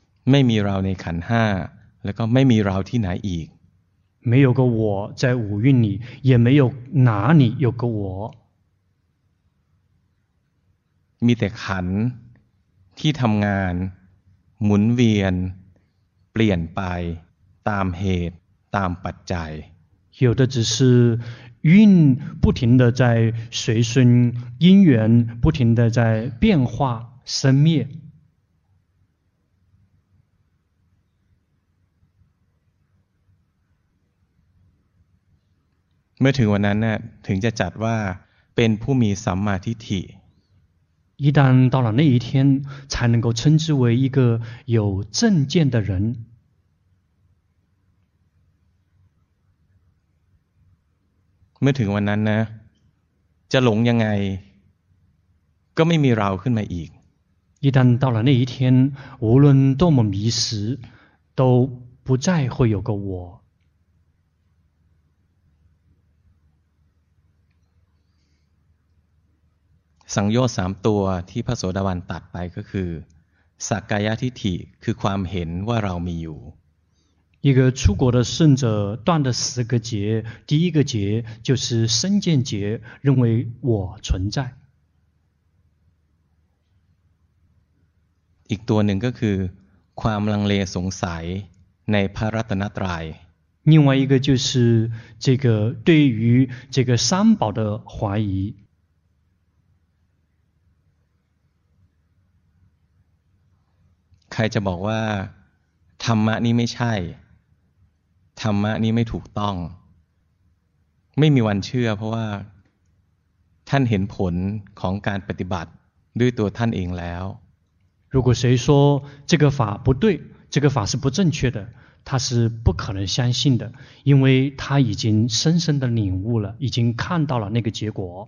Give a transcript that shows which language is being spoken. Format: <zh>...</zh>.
<th>ไม่มีเราในขันห้าแล้วก็ไม่มีเราที่ไหนอีก</th> <zh>没有个我在五蕴里也没有哪里有个我</zh> <th>มีแต่ขันที่ทำงานหมุนเวียนเปลี่ยนไปตามเหตุตามปัจจัย</th> <zh>有的只是运不停的在随顺因缘不停的在变化生灭</zh> <th>เมื่อถึงวันนั้นน่ะถึงจะจัดว่าเป็นผู้มีสัมมาทิฏฐิ</th> <zh>一旦到了那一天才能够称之为一个有正见的人</zh> <th>เมื่อถึงวันนั้นนะจะหลงยังไงก็ไม่มีเราขึ้นมาอีก</th> <zh>一旦到了那一天无论多么迷失都不再会有个我</zh> <th>สังโยชน์สามตัวที่พระโสดาบันตัดไปก็คือสักกายทิฏฐิคือความเห็นว่าเรามีอยู่</th> <zh>一个出国的圣者断的十个结第一个结就是身见结认为我存在</zh> <th>อีกตัวหนึ่งก็คือความลังเลสงสัยในพระรัตนตรัย</th> <zh>另外一个就是这个对于这个三宝的怀疑</zh> <th>ใครจะบอกว่าธรรมะนี้ไม่ใช่ธรรมะนี้ไม่ถูกต้องไม่มีวันเชื่อเพราะว่าท่านเห็นผลของการปฏิบัติด้วยตัวท่านเองแล้ว</th> <zh>如果谁说这个法不对这个法是不正确的他是不可能相信的因为他已经深深的领悟了已经看到了那个结果</zh>